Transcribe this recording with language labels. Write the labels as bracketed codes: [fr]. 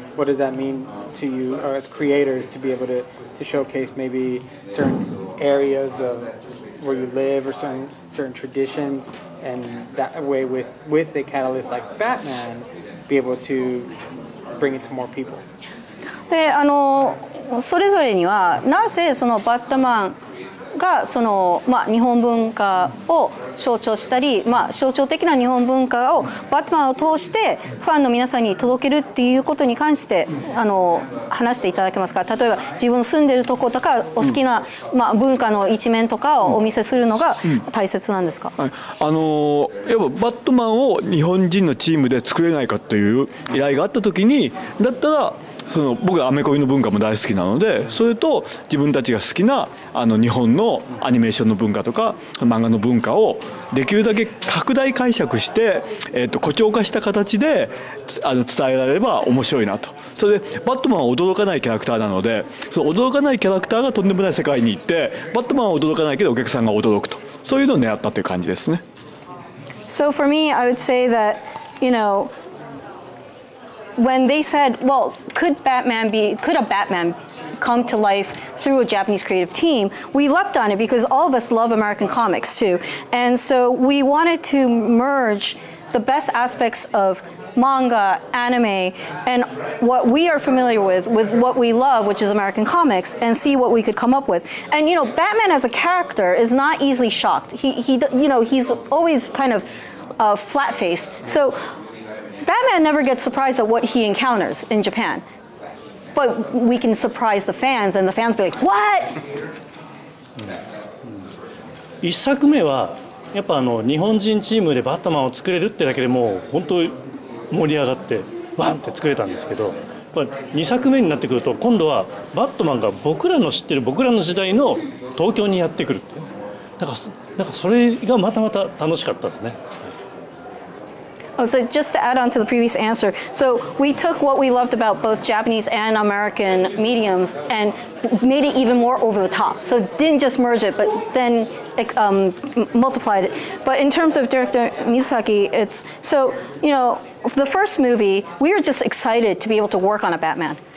[en] What does that mean to you as creators to be able to showcase maybe certain areas of where you live or certain traditions, and that way with a catalyst like Batman be able to bring it to more people? [ja] であのそれぞれにはなぜそのバットマンがその、まあ、日本文化を象徴したり、まあ、象徴的な日本文化をバットマンを通してファンの皆さんに届けるっていうことに関してあの話していただけますか。例えば自分住んでるとことかお好きな、うん、まあ、文化の一面とかをお見せするのが大切なんですか。うんうん、あのやっぱバットマンを日本人のチームで作れないかという依頼があった時に、だったらその僕はアメコミの文化も大好きなので、それと自分たちが好きなあの日本のアニメーションの文化とか漫画の文化をできるだけ拡大解釈して、誇張化した形であの伝えられれば面白いなと。それでバットマンは驚かないキャラクターなので、その驚かないキャラクターがとんでもない世界に行って、バットマンは驚かないけどお客さんが驚くと、そういうのを狙ったという感じですね。 [en] So for me, I would say that, you know,when they said, well, could a Batman come to life through a Japanese creative team, we leapt on it because all of us love American comics too. And so we wanted to merge the best aspects of manga, anime, and what we are familiar with what we love, which is American comics, and see what we could come up with. And you know, Batman as a character is not easily shocked. He you know, he's always kind of flat-faced. So,Batman never gets surprised at what he encounters in Japan. But we can surprise the fans, and the fans be like, what? [ja] 一作目は、やっぱあの日本人チームでバットマンを作れるってだけでもう本当に盛り上がって、バンって作れたんですけど、二作目になってくると、今度はバットマンが僕らの知ってる僕らの時代の東京にやってくるって。なんかそれがまたまた楽しかったですね。 [en] So just to add on to the previous answer, so we took what we loved about both Japanese and American mediums and made it even more over the top. So didn't just merge it, but then multiplied it. But in terms of director Mizusaki, it's so, you know, the first movie, we were just excited to be able to work on a Batman.